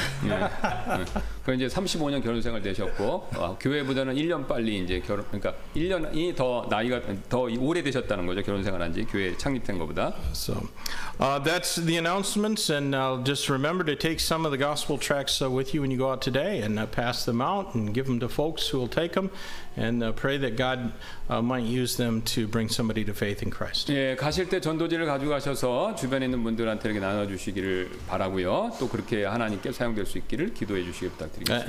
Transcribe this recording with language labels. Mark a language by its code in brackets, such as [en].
[ko] 예. 그 이제 35년 결혼 생활 되셨고 교회보다는 1년 빨리 이제 결혼 그러니까 1년이 더 나이가 더 오래 되셨다는 거죠. 결혼 생활한 지 교회 창립된 거보다. [en] So that's the announcements and just remember to take some of the gospel tracts with you when you go out today and pass them out and give them to folks who will take them and pray that God might use them to bring somebody to faith in Christ. [ko] 예, 가실 때 전도지를 가져가셔서 주변에 있는 분들한테 이렇게 나눠 주시기를 바라고요. 또 그렇게 하나님께 사용될 수 있기를 기도해 주시기 부탁드리겠습니다.